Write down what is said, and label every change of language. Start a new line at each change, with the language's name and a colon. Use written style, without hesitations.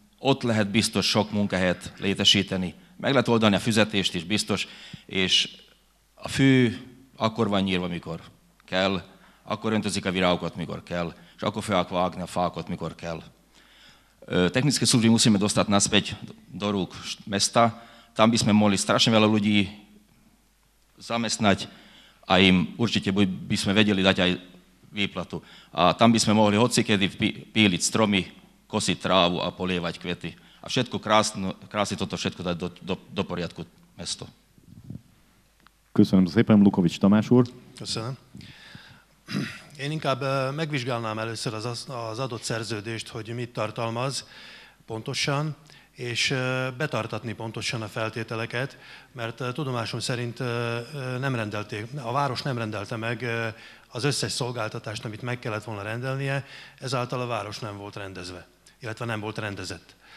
Hungarian: Ott lehet biztos sok munkahelyet létesíteni. Meg lehet oldani a fizetést is, biztos, és a fű akkor van nyírva, mikor kell, akkor öntözik a virágokat, mikor kell, és akkor fogják vágni a fákot, mikor kell.
Slovak: Technické služby musíme dostat naspäť do rúk mesta. Tam by sme mohli strašne veľa ľudí zamestnať a im určite by sme vedeli dať aj výplatu. A tam by sme mohli hocikedy píliť stromy, kosiť trávu a polievať kvety. A všetko krásne toto všetko dať do poriadku mesto.
Hungarian: Köszönöm szépen, Lukovics Tamás úr. Köszönöm. Én inkább megvizsgálnám először az adott szerződést, hogy mit tartalmaz pontosan, és betartatni pontosan a feltételeket, mert tudomásom szerint nem rendelték, a város nem rendelte meg az összes szolgáltatást, amit meg kellett volna rendelnie, ezáltal a város nem volt rendezve, illetve nem volt rendezett.